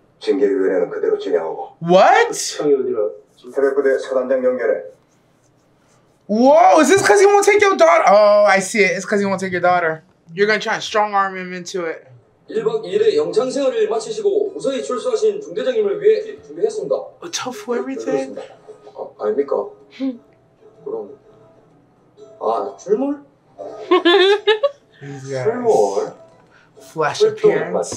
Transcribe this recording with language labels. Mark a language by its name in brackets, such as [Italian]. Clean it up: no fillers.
[Korean] 징계위원회는 그대로 진행하고. [English] What? [Korean] 해외부대 사단장 연결해. [English] Whoa, is this because he won't take your daughter? Oh, I see it. It's because he won't take your daughter. You're going to try and strong arm him into it. [Korean] 1박 2일의 영창 생활을 마치시고 우선히 출소하신 중대장님을 위해 준비했습니다. [English] A tofu everything? [Korean] 아, 아닙니까? 그럼... 아, 출몰? 출몰? [English] Flash appearance?